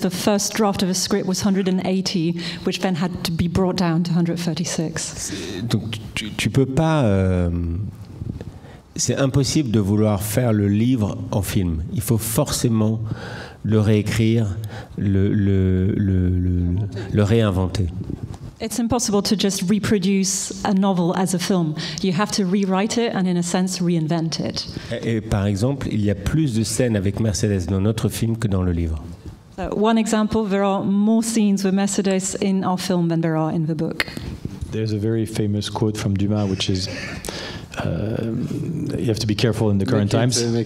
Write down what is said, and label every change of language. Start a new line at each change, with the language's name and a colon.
English: The first draft of the script was 180, which then had to be brought down to 136.
French: Donc, tu peux pas... C'est impossible de vouloir faire le livre en film. Il faut forcément le réécrire, le réinventer.
English: It's impossible to just reproduce a novel as a film. You have to rewrite it and in a sense reinvent it.
French: Et par exemple, il y a plus de scènes avec Mercedes dans notre film que dans le livre.
English: One example, there are more scenes with Mercedes in our film than there are in the book. There's a very famous quote from Dumas which is you have to be careful in the current times.